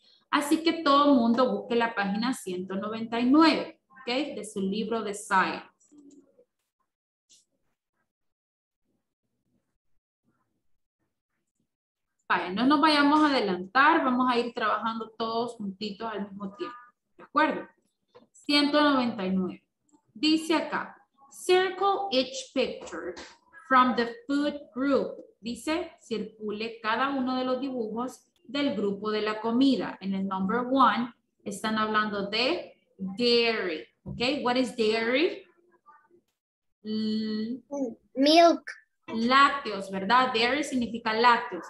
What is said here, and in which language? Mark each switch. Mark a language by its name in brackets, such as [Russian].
[Spanish] Así que todo mundo busque la página 199, ¿okay? De su libro de Science. Vale, no nos vayamos a adelantar, vamos a ir trabajando todos juntitos al mismo tiempo, ¿de acuerdo? 199. Dice acá, [English] circle each picture from the food group. [Spanish] Dice, circule cada uno de los dibujos del grupo de la comida. En el number one, están hablando de dairy, ¿ok? [English] What is dairy? Milk. [Spanish] Lácteos, ¿verdad? Dairy significa lácteos.